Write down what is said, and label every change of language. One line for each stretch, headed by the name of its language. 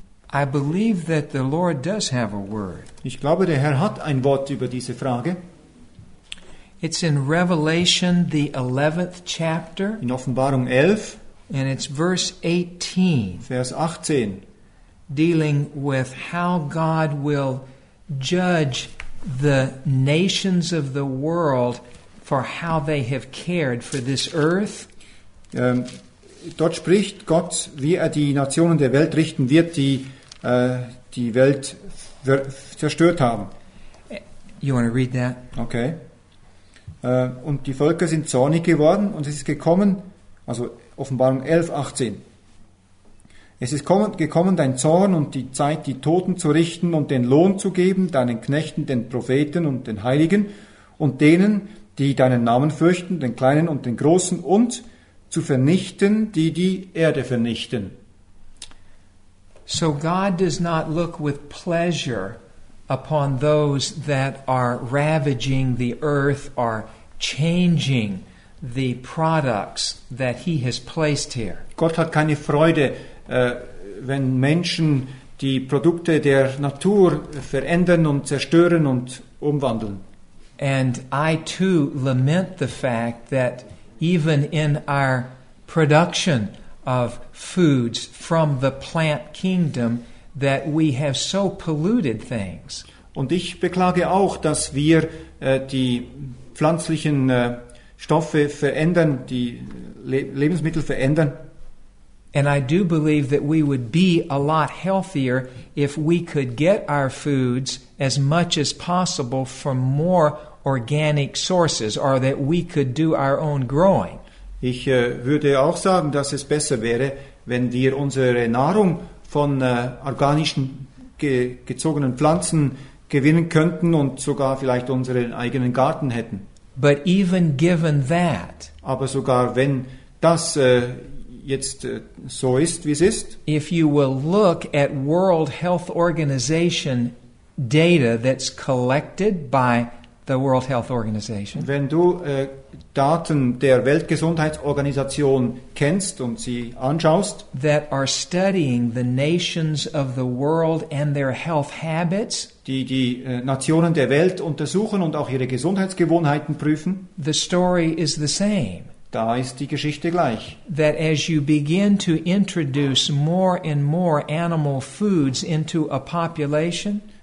English: I believe that the Lord does have a word.
German: Ich glaube, der Herr hat ein Wort über diese Frage.
English: It's in Revelation, the 11th chapter.
German: In Offenbarung 11.
English: And it's verse 18.
German: Vers 18.
English: Dealing with how God will judge the nations of the world for how they have cared for this earth.
German: Dort spricht Gott, wie die Nationen der Welt richten wird, die die Welt zerstört haben.
English: You want to read that? Okay.
German: Und die Völker sind zornig geworden und es ist gekommen, also Offenbarung 11, 18. Es ist gekommen, dein Zorn und die Zeit, die Toten zu richten und den Lohn zu geben, deinen Knechten, den Propheten und den Heiligen und denen, die deinen Namen fürchten, den Kleinen und den Großen und zu vernichten, die die Erde vernichten.
English: So God does not look with pleasure upon those that are ravaging the earth or changing the products that he has placed here.
German: Gott hat keine Freude, wenn Menschen die Produkte der Natur verändern und zerstören und umwandeln.
English: And I too lament the fact that even in our production of foods from the plant kingdom that we have so polluted things.
German: Und ich beklage auch, dass wir die pflanzlichen Stoffe verändern, die Lebensmittel verändern.
English: And I do believe that we would be a lot healthier if we could get our foods as much as possible from more organic sources, or that we could do our own growing.
German: Ich würde auch sagen, dass es besser wäre, wenn wir unsere Nahrung von organischen gezogenen Pflanzen gewinnen könnten und sogar vielleicht unseren eigenen Garten hätten.
English: But even given that,
German: aber sogar wenn das jetzt so ist, wie es ist.
English: If you will look at World Health Organization data that's collected by the World Health Organization.
German: Wenn du Daten der Weltgesundheitsorganisation kennst und sie anschaust,
English: that are studying the nations of the world and their health habits,
German: die Nationen der Welt untersuchen und auch ihre Gesundheitsgewohnheiten prüfen,
English: the story is the same.
German: Da ist die Geschichte gleich.
English: That as you begin to introduce more and more animal foods into a population,